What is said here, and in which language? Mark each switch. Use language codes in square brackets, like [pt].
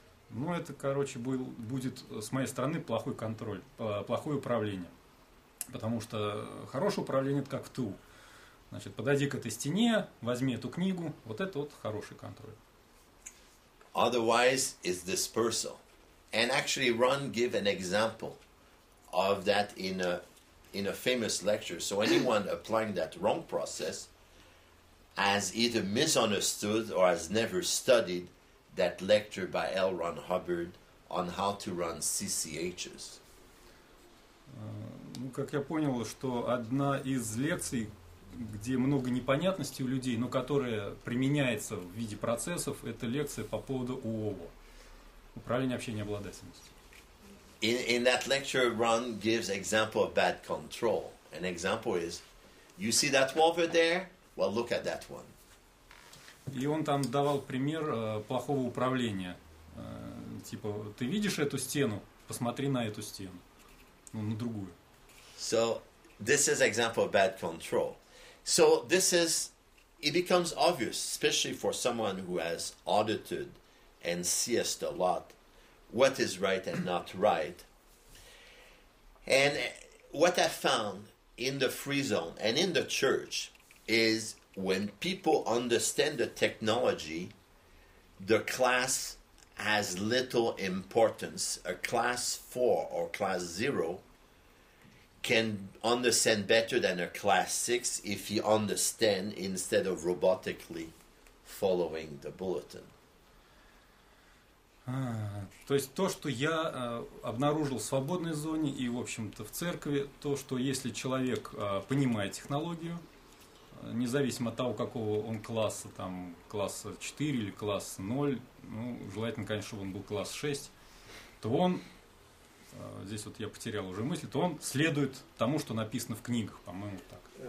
[ru] Ну, это, короче, будет с моей стороны плохой контроль, плохое управление. Потому что хорошее управление – это как в ТУ. Значит, подойди к этой стене, возьми эту книгу. Вот это вот хороший контроль. [en] Otherwise, it's dispersal. And actually, Ron gave an example of that in a famous lecture. So anyone applying that wrong process has either misunderstood or has never studied that lecture by L. Ron Hubbard on how to run CCHs. [ru] Ну, как я понял, что одна из лекций, где много непонятностей у людей, но которая применяется в виде процессов, это лекция по поводу УОВО, управления общением обладательности. [en] In that lecture, Ron gives example of bad control. An example is, you see that wall over there? Well, look at that one. [ru] И он там давал пример плохого управления. Типа, ты видишь эту стену? Посмотри на эту стену. Ну, на другую. [en] So, this is an example of bad control. So, this is... It becomes obvious, especially for someone who has audited and CS'd a lot, what is right and not right. And what I found in the free zone and in the church is... When people understand the technology, the class has little importance. A class 4 or class 0 can understand better than a class 6 if he understands instead of robotically following the bulletin. [ru] То есть то, что я обнаружил в свободной зоне и, в общем-то, в церкви, то, что если человек понимает технологию, независимо от того, какого он класса, там, класса 4 или класс 0, ну, желательно, конечно, чтобы он был класс 6, то он, здесь вот я потерял уже мысль, то он следует тому, что написано в книгах, по-моему, так.